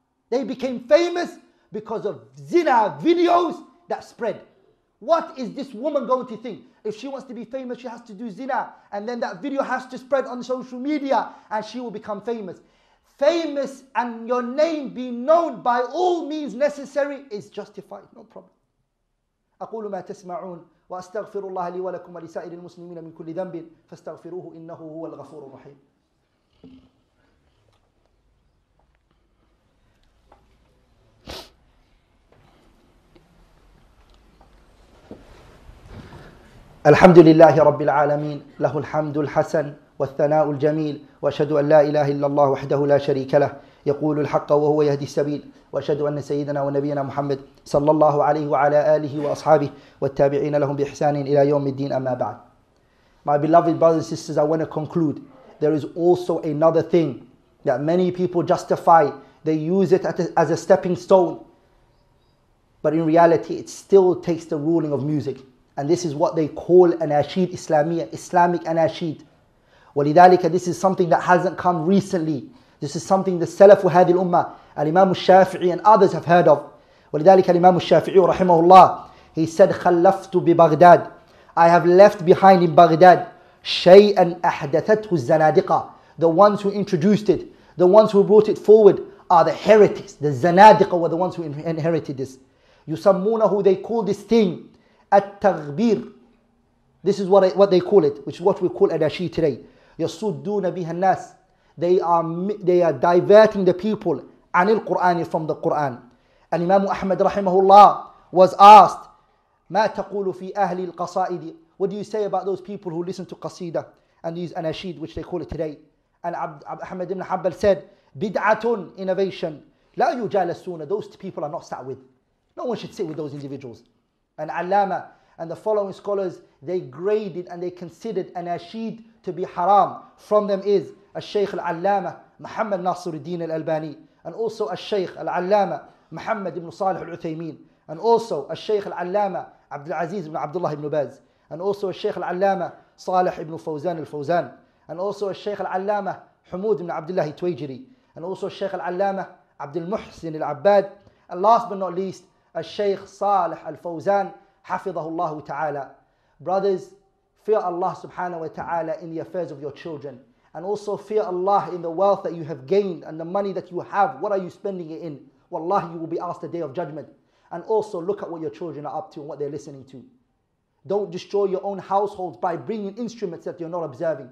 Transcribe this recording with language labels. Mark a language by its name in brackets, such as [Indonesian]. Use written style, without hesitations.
[English] They became famous because of zina videos that spread. What is this woman going to think? If she wants to be famous, she has to do zina. And then that video has to spread on social media and she will become famous. Famous and your name being known by all means necessary is justified, no problem. [Arabic] أقول ما تسمعون وأستغفر الله لي ولكم ولسائر المسلمين من كل ذنب فاستغفروه إنه هو الغفور الرحيم. الحمد لله رب العالمين له الحمد الحسن والثناء الجميل وأشهد أن لا إله إلا الله وحده لا شريك له يقول الحق وهو يهدي السبيل وأشهد أن سيدنا ونبينا محمد صلى الله عليه وعلى آله وأصحابه والتابعين لهم بإحسان إلى يوم الدين أما بعد. [English] My beloved brothers and sisters, I want to conclude. There is also another thing that many people justify. They use it as a stepping stone. But in reality, it still takes the ruling of music. And this is what they call anashid Islamiyah, Islamic anashid. [Arabic] ولذلك, [English] this is something that hasn't come recently. This is something the Salaf of this Ummah, Al-Imam al-Shafi'i and others have heard of. [Arabic] ولذلك Al-Imam al-Shafi'i رحمه الله, [English] he said, [Arabic] خلفت ببغداد. [English] I have left behind in Baghdad [Arabic] شيئاً أحدثته الزنادقة. [English] The ones who introduced it, the ones who brought it forward are the heretics. The زنادقة were the ones who inherited this. [Arabic] يسمونه, [English] they call this thing التغبير. This is what they call it, which is what we call Adashi today. [Arabic] يصدون بها الناس. [English] They are diverting the people [Arabic] عن القرآن [English] from the Quran. [Arabic] الإمام أحمد رحمه الله [English] was asked, [Arabic] ما تقول في أهل القصائد? [English] What do you say about those people who listen to قصيدة and these anashid, which they call it today? And Abu Ahmed ibn Hanbal said, بدعة innovation. [Arabic] لا يجالسون. [English] Those people are not sat with. No one should sit with those individuals. And علامه and the following scholars, they graded and they considered anashid to be haram. [Arabic] From them is الشيخ العلامة محمد ناصر الدين الألباني and also الشيخ العلامة محمد بن صالح العثيمين and also الشيخ العلامة عبد العزيز بن عبد الله بن باز and also الشيخ العلامة صالح بن فوزان الفوزان and also الشيخ العلامة حمود بن عبد الله التويجري and also الشيخ العلامة عبد المحسن العباد and [English] last but not least [Arabic] الشيخ صالح الفوزان حفظه الله تعالى. [English] Brothers, fear Allah subhanahu wa ta'ala in the affairs of your children. And also fear Allah in the wealth that you have gained and the money that you have. What are you spending it in? Wallahi, you will be asked the day of judgment. And also look at what your children are up to and what they're listening to. Don't destroy your own household by bringing instruments that you're not observing.